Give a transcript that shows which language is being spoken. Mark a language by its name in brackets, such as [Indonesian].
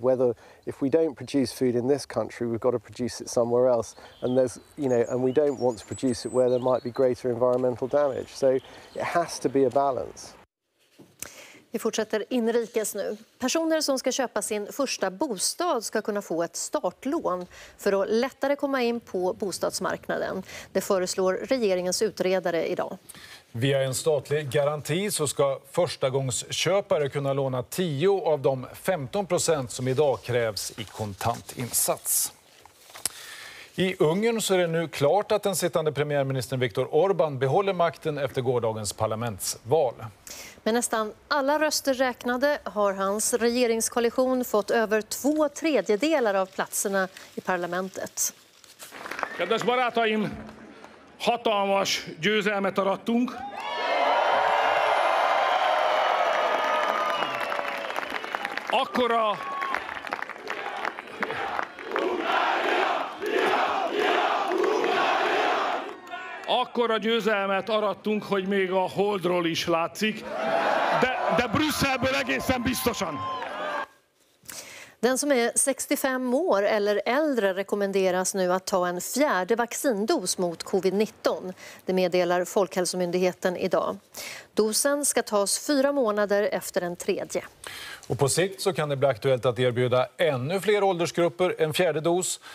[English] Whether if we don't produce food in this country, we've got to produce it somewhere else. And there's, you know, and we don't want to produce it where there might be greater environmental damage. So it has to be a balance. [Swedish] Vi fortsätter inrikes nu. Personer som ska köpa sin första bostad ska kunna få ett startlån för att lättare komma in på bostadsmarknaden. Det föreslår regeringens utredare idag. Via en statlig garanti så ska förstagångsköpare kunna låna 10 av de 15% som idag krävs i kontantinsats. I Ungern så är det nu klart att den sittande premiärministern Viktor Orbán behåller makten efter gårdagens parlamentsval. Med nästan alla röster räknade har hans regeringskoalition fått över 2/3 av platserna i parlamentet. [Hungarian] Kedves barátaim, hatalmas győzelmet arattunk. Akkora győzelmet arattunk, hogy még a Holdról is látszik, de Brüsszelből egészen biztosan. [Swedish] Den som är 65 år eller äldre rekommenderas nu att ta en fjärde vaccindos mot covid-19. Det meddelar Folkhälsomyndigheten idag. Dosen ska tas 4 månader efter den tredje. Och på sikt så kan det bli aktuellt att erbjuda ännu fler åldersgrupper en fjärde dos.